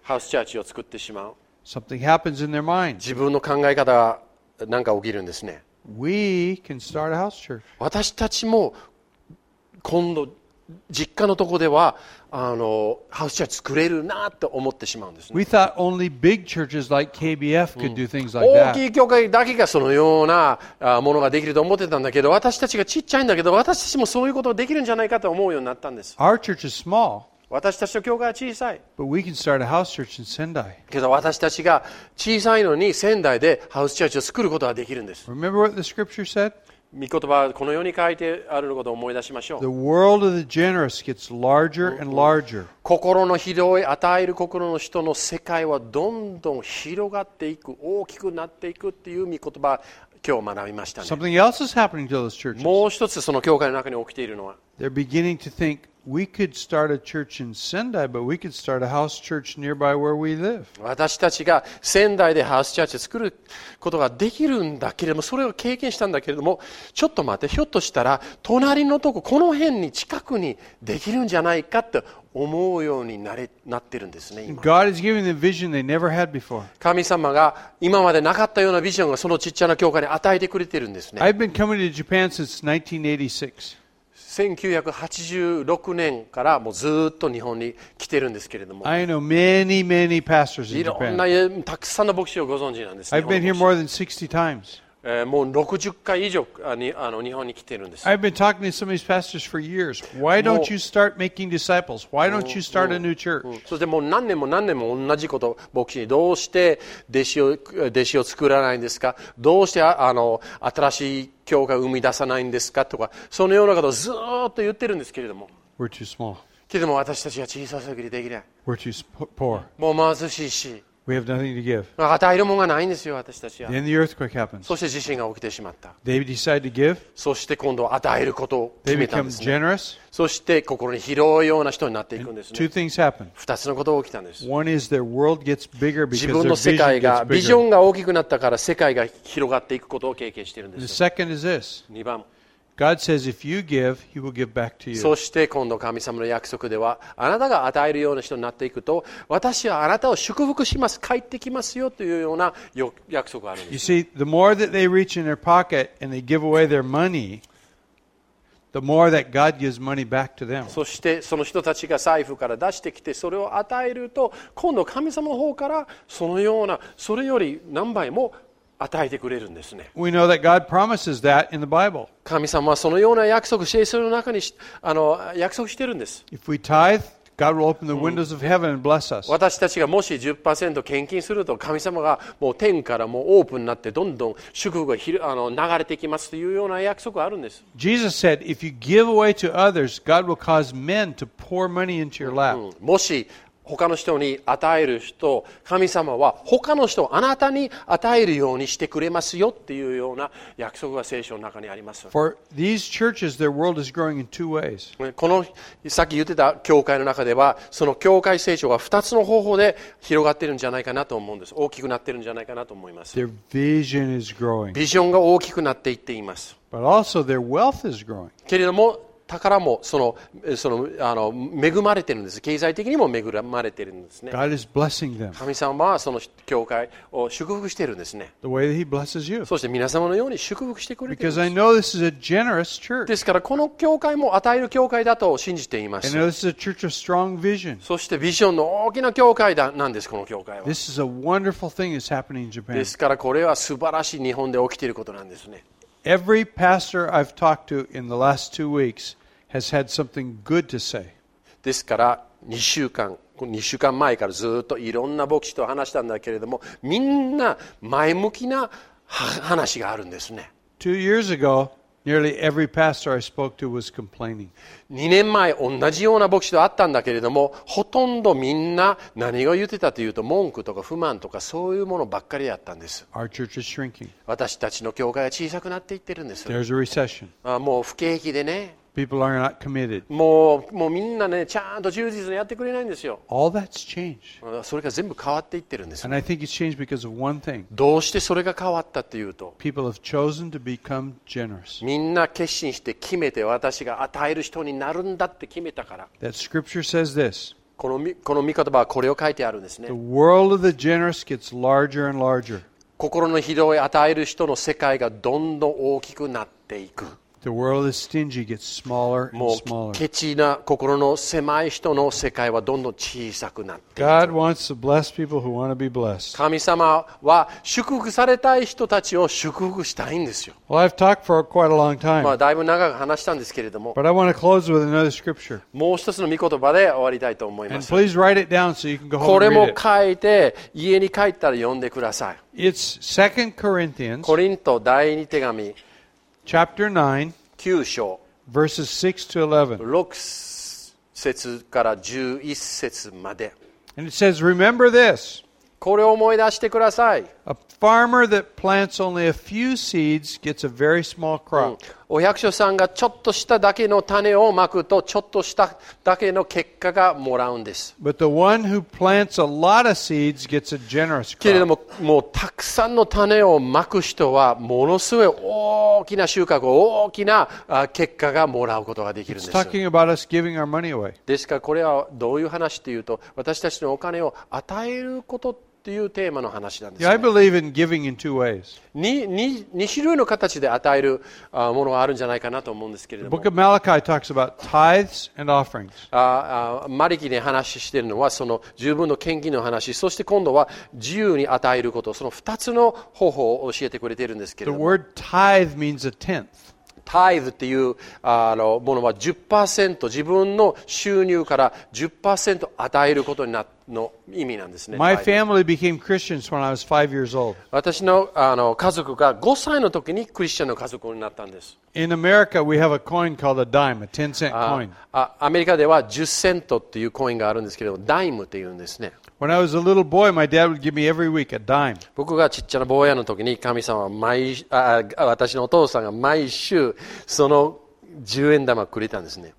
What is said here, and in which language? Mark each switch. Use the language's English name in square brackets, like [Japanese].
[Japanese] ハウスチャーチを作ってしまう。 [English] Something happens in their mind. [Japanese] 自分の考え方が何か起きるんですね。 [English] We can start a house church. [Japanese] 私たちも今度、実家のとこではハウスチャーチ作れるなと思ってしまうんですね。 [English] We thought only big churches like KBF could do things like that. [Japanese] 大きい教会だけがそのようなものができると思ってたんだけど、私たちがちっちゃいんだけど、私たちもそういうことができるんじゃないかと思うようになったんです。 [English] Our church is small. [Japanese] 私たちの教会は小さい。 [English] But we can start a house church in Sendai. [Japanese] けど私たちが小さいのに仙台でハウスチャーチを作ることができるんです。 [English] Remember what the scripture said? [Japanese] 御言葉はこのように書いてあることを思い出しましょう。 [English] The world of the generous gets larger and larger. [Japanese] 心の広い与える心の人の世界はどんどん広がっていく、大きくなっていくっていう御言葉、今日学びましたね。 [English] Something else is happening to those churches. [Japanese] もう一つその教会の中に起きているのは、 [English] They're beginning to think we could start a church in Sendai, but we could start a house church nearby where we live. [Japanese] 私たちが仙台でハウスチャーチを作ることができるんだけれども、それを経験したんだけれども、ちょっと待って、ひょっとしたら隣のとこ、この辺に近くにできるんじゃないかって。思うようになれなってるんですね。 [English] God is giving them vision they never had before. [Japanese] 神様が今までなかったようなビジョンがそのちっちゃな教会に与えてくれてるんですね。 [English] I've been coming to Japan since 1986. [Japanese] 1986年からもうずっと日本に来てるんですけれども、 [English] I know many, many pastors in Japan. [Japanese] いろんなたくさんの牧師をご存知なんです。 [English] I've been here more than 60 times. [Japanese] もう60回以上にあの日本に来てるんです。 [English] I've been talking to some of these pastors for years. Why don't you start making disciples? Why don't you start a new church? [Japanese] そしてもう何年も何年も同じこと牧師にどうして弟子を作らないんですか。どうしてあの新しい教会を生み出さないんですかとか、そのようなことをずっと言ってるんですけれども、 [English] We're too small. [Japanese] けれども私たちは小さすぎてできない。 [English] We're too poor. [Japanese] もう貧しいし、 [English] We have nothing to give. [Japanese] 与えるものがないんですよ私たちは。 [English] Then the earthquake happens. [Japanese] そして地震が起きてしまった。 [English] They decide to give. [Japanese] そして今度は与えることを決めたんですね。 [English] They become generous. [Japanese] そして心に広いような人になっていくんですね。 [English] Two things happen. [Japanese] 二つのことが起きたんです。 [English] One is their world gets bigger because [Japanese] 自分の世界がビジョンが大きくなったから世界が広がっていくことを経験しているんです。 [English] The second is this. [Japanese] 二番。 [English] God says if you give, He will give back to you. [Japanese] そして今度神様の約束では、あなたが与えるような人になっていくと、私はあなたを祝福します、帰ってきますよというような約束があるんです。 [English] You see, the more that they reach in their pocket and they give away their money, the more that God gives money back to them. [Japanese] そしてその人たちが財布から出してきてそれを与えると、今度神様の方からそのようなそれより何倍も与えてくれるんですね。 [English] We know that God promises that in the Bible. [Japanese] 神様はそのような約束、聖書の中にあの約束してるんです。 [English] If we tithe, God will open the windows of heaven and bless us. [Japanese] 私たちがもし 10% 献金すると、神様がもう天からもうオープンになってどんどん祝福がひるあの流れてきますというような約束があるんです。 [English] Jesus said, if you give away to others, God will cause men to pour money into your lap. [Japanese] もし他の人に与える人、神様は他の人をあなたに与えるようにしてくれますよっていうような約束が聖書の中にあります。 [English] For these churches, their world is growing in two ways. [Japanese] このさっき言ってた教会の中では、その教会成長が2つの方法で広がってるんじゃないかなと思うんです。大きくなってるんじゃないかなと思います。 [English] Their vision is growing. [Japanese] ビジョンが大きくなっていっています。 [English] But also their wealth is growing. [Japanese] けれども宝もそのあの恵まれてるんです。経済的にも恵まれてるんですね。 [English] God is blessing them. [Japanese] 神様はその教会を祝福してるんですね。 [English] The way that He blesses you. [Japanese] そして皆様のように祝福してくれてるんです。 [English] Because I know this is a generous church. [Japanese] ですからこの教会も与える教会だと信じています。 [English] And this is a church of strong vision. [Japanese] そしてビジョンの大きな教会だなんですこの教会は。 [English] This is a wonderful thing that's happening in Japan. [Japanese] ですからこれは素晴らしい日本で起きていることなんですね。 [English] Every pastor I've talked to in the last two weeks. Has had something good to say. [Japanese] ですから2週間前からずっといろんな牧師と話したんだけれども、みんな前向きな話があるんですね。 [English] Two years ago, nearly every pastor I spoke to was complaining. [Japanese] 2年前同じような牧師と会ったんだけれども、ほとんどみんな何を言ってたというと文句とか不満とかそういうものばっかりやったんです。 [English] Our church is shrinking. [Japanese] 私たちの教会は小さくなっていってるんです。 [English] There's a recession. [Japanese] もう不景気でね。 [English] People are not committed. [Japanese] もうみんなね、ちゃんと忠実にやってくれないんですよ。 [English] All that's changed. [Japanese] それが全部変わっていってるんです。 [English] And I think it's changed because of one thing. [Japanese] どうしてそれが変わったっていうと、 [English] People have chosen to become generous. [Japanese] みんな決心して決めて私が与える人になるんだって決めたから。 [English] That scripture says this. [Japanese] この御言葉はこれを書いてあるんですね。 [English] The world of the generous gets larger and larger. [Japanese] 心の広い与える人の世界がどんどん大きくなっていく。 [English] The world is stingy, gets smaller and smaller. [Japanese] もうケチな心の狭い人の世界はどんどん小さくなっていく。 [English] God wants to bless people who want to be blessed. [Japanese] 神様は祝福されたい人たちを祝福したいんですよ。 [English] Well, I've talked for quite a long time. [Japanese] まあだいぶ長く話したんですけれども。 [English] But I want to close with another scripture. [Japanese] もう一つの御言葉で終わりたいと思います。 [English] And please write it down so you can go home. [Japanese] これも書いて家に帰ったら読んでください。 [English] It's 2 Corinthians. [Japanese] コリント第二手紙。 [English] Chapter [Japanese] 9, 9章 [English] verses 6 to 11. [Japanese] 6節から11節まで。 [English] And it says, remember this. [Japanese] これを思い出してください。 [English] A farmer that plants only a few seeds gets a very small crop.、 [Japanese] お百姓さんがちょっとしただけの種をまくと、ちょっとしただけの結果がもらうんです。 [English] But the one who plants a lot of seeds gets a generous crop. [Japanese] けれども、もうたくさんの種をまく人は、ものすごい大きな収穫、大きな結果がもらうことができるんです。 [English] It's talking about us giving our money away. [Japanese] ですから、これはどういう話というと、私たちのお金を与えることというテーマの話なんですね。 [English] Yeah, I believe in giving in two ways. [Japanese] 2種類の形で与えるものがあるんじゃないかなと思うんですけれども。 [English] The book of Malachi talks about tithes and offerings. [Japanese] マリキで話しているのはその十分の献金の話、そして今度は自由に与えること、その2つの方法を教えてくれているんですけれども。 [English] The word tithe means a tenth. [Japanese] Tithe っていうものは 10% 自分の収入から 10% 与えることになの意味なんですね。 [English] My family became Christians when I was 5 years old. [Japanese] 私の家族が5歳の時にクリスチャンの家族になったんです。 [English] In America, we have a coin called a dime, a 10 cent coin. [Japanese] アメリカでは10セントっていうコインがあるんですけど、ダイムっていうんですね。 [English] When I was a little boy, my dad would give me every week a dime. [Japanese] 僕がちっちゃな坊やの時に神様は私のお父さんが毎週その10円玉くれたんですね。